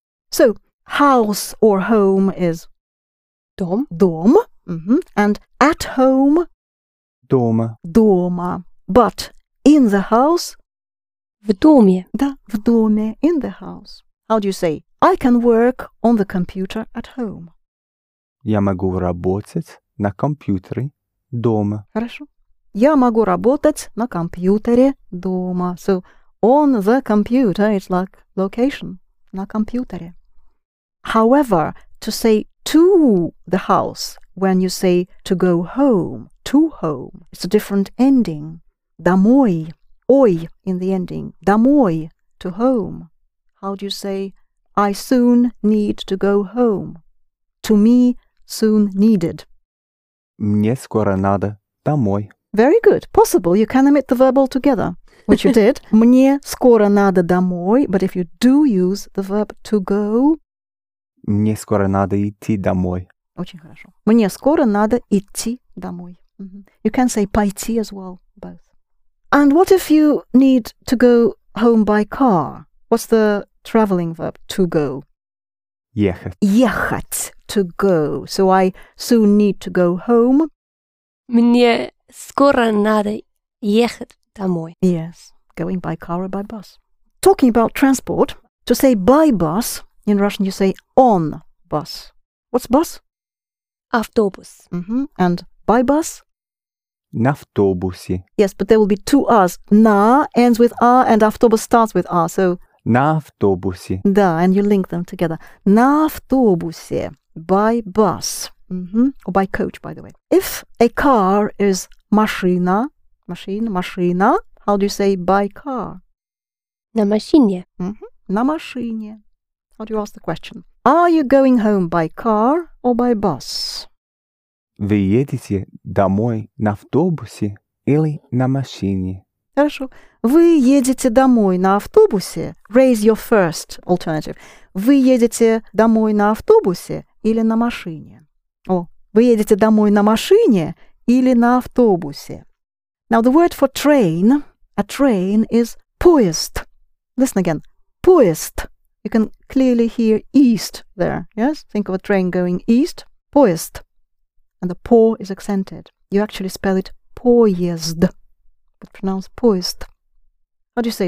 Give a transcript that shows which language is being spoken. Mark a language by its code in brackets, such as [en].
[en] So, house or home is? [ru] Дом. Дом. [en] Mm-hmm. And at home? [ru] Дома. Дома. [en] But in the house? [ru] В доме. Да, в доме. [en] In the house. How do you say? I can work on the computer at home. [ru] Я могу работать на компьютере дома. Хорошо. Я могу работать на компьютере дома. [en] So, on the computer, it's like location, на компьютере. However, to say to the house, when you say to go home, to home, it's a different ending. Домой, ой in the ending. Домой, to home. How do you say, I soon need to go home? To me, soon needed. [ru] Мне скоро надо домой. [en] Very good. Possible. You can omit the verb altogether, which you did. [ru] Мне скоро надо домой. [en] But if you do use the verb to go... [ru] Мне скоро надо идти домой. Очень хорошо. Мне скоро надо идти домой. [en] Mm-hmm. You can say пойти as well, both. And what if you need to go home by car? What's the traveling verb to go? [ru] Ехать. [en] Ехать. To go. So I soon need to go home. [ru] Мне... Скоро надо ехать домой. [en] Yes, going by car or by bus. Talking about transport, to say by bus, in Russian you say on bus. What's bus? [ru] Автобус. [en] Mm-hmm. And by bus? [ru] На автобусе. [en] Yes, but there will be two R's. На ends with R and автобус starts with R, so... [ru] На автобусе. [en] Да, and you link them together. [ru] На автобусе. [en] By bus. Mm-hmm. Or by coach, by the way. If a car is машина, машина, машина, how do you say by car? [ru] На машине. [en] Mm-hmm. [ru] На машине. [en] How do you ask the question? Are you going home by car or by bus? [ru] Вы едете домой на автобусе или на машине? Хорошо. Вы едете домой на автобусе? [en] Raise your first alternative. [ru] Вы едете домой на автобусе или на машине? О, вы едете домой на машине или на автобусе? [en] Now, the word for train, a train, is поезд. Listen again. Поезд. You can clearly hear east there, yes? Think of a train going east. Поезд. And the по is accented. You actually spell it поезд, but pronounce поезд. How do you say?